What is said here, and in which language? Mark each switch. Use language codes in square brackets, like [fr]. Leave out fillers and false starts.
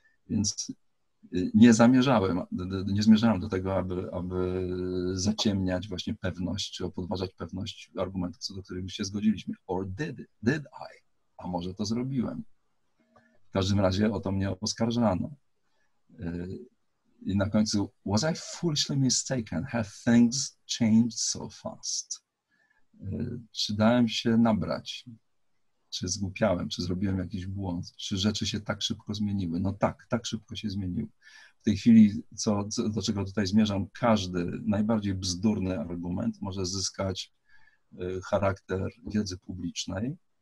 [pl] Więc nie zmierzałem do tego, aby zaciemniać właśnie pewność, czy podważać pewność argumentów, co do których już się zgodziliśmy. [en] Or did I? [pl] A może to zrobiłem. W każdym razie o to mnie oskarżano. I na końcu, [en] was I foolishly mistaken? Have things changed so fast? [pl] Czy dałem się nabrać? Czy zgłupiałem? Czy zrobiłem jakiś błąd? Czy rzeczy się tak szybko zmieniły? No tak, tak szybko się zmieniły. W tej chwili, do czego tutaj zmierzam, każdy najbardziej bzdurny argument może zyskać charakter wiedzy publicznej.